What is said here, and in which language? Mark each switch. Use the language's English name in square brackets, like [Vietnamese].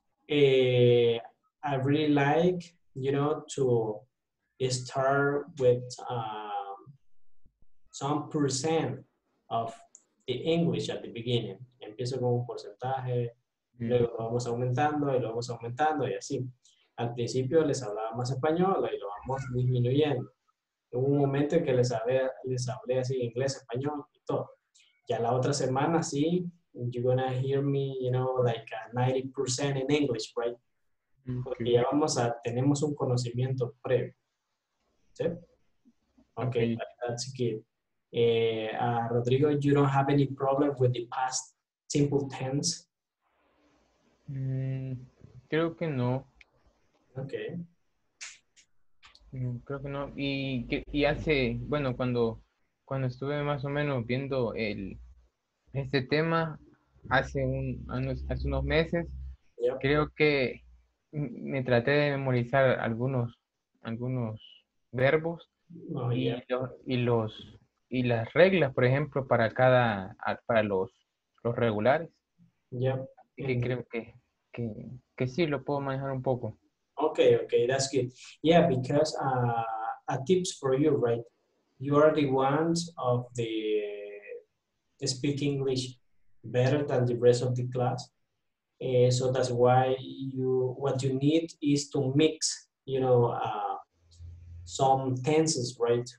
[English] I really like, you know, to start with some percent of the English at the beginning. [Spanish] Empiezo con un porcentaje, luego vamos aumentando y lo vamos aumentando y así. Al principio les hablaba más español y lo vamos disminuyendo. Hubo un momento en que les hablé así inglés, español y todo. Ya la otra semana, sí, [English] you're gonna hear me, you know, like 90% in English, right? [Spanish] Porque ya tenemos un conocimiento previo. ¿Sí? [English] Okay, that's good. Rodrigo, you don't have any problem with the past simple tense? [Spanish] Creo que no. [English] Okay. [Spanish] Creo que no. Y hace, bueno, cuando estuve más o menos viendo este tema hace unos meses, [English] yep. [Spanish] Creo que me traté de memorizar algunos verbos y las reglas, por ejemplo, para los regulares. Ya. [English] Yep. [Spanish] Y que creo que sí lo puedo manejar un poco. [English] Okay, that's good. Yeah, because a tips for you, right? You are the ones of the speak English better than the rest of the class. So that's why what you need is to mix, you know, some tenses, right?